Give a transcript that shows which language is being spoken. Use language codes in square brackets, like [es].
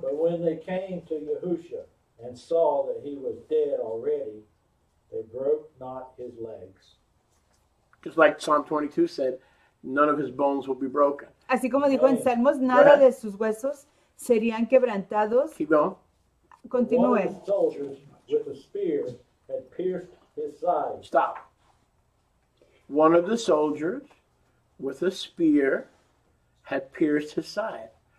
[en] But when they came to Yahusha and saw that he was dead already, they broke not his legs. Just like Psalm 22 said, none of his bones will be broken. [es] Así como dijo en Salmos, nada de sus huesos serían quebrantados. [en] Keep going. [es] Continúe. [en] One of the soldiers with a spear had pierced his side. Stop. One of the soldiers with a spear had pierced his side.